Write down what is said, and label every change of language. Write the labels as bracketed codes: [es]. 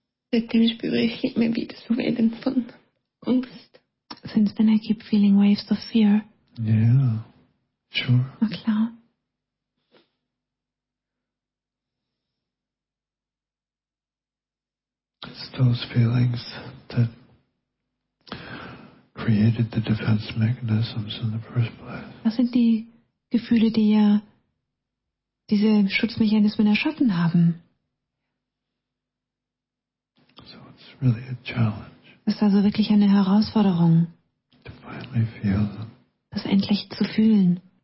[de] Seitdem spüre ich immer wieder so Wellen von Angst. [en] Since then I keep feeling waves of fear. Yeah, sure. [de] Na klar. [en] It's those feelings that created the defense mechanisms in the first place. [de] Was sind die Gefühle, die ja diese Schutzmechanismen erschaffen haben? [en] So it's really a challenge. [de] Es ist also wirklich eine Herausforderung. [en] To finally feel them. [de] Das endlich zu fühlen.